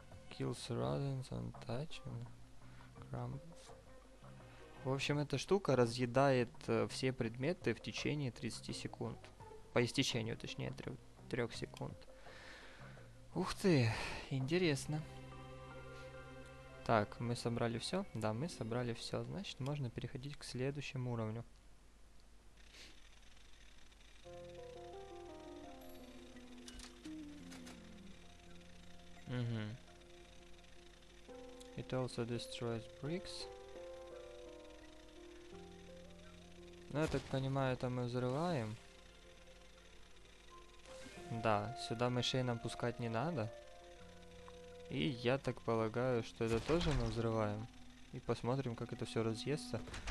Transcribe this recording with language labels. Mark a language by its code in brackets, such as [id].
[en] Kills rodents on touching. Crumbles. [ru] В общем, эта штука разъедает все предметы в течение 30 секунд. По истечению, точнее, 3 секунд. Ух ты, интересно. Так, мы собрали все? Да, мы собрали все. Значит, можно переходить к следующему уровню. Угу. [en] It also destroys bricks. [ru] Ну, я так понимаю, это мы взрываем. Да, сюда мышей нам пускать не надо. И я так полагаю, что это тоже мы взрываем. И посмотрим, как это все разъестся.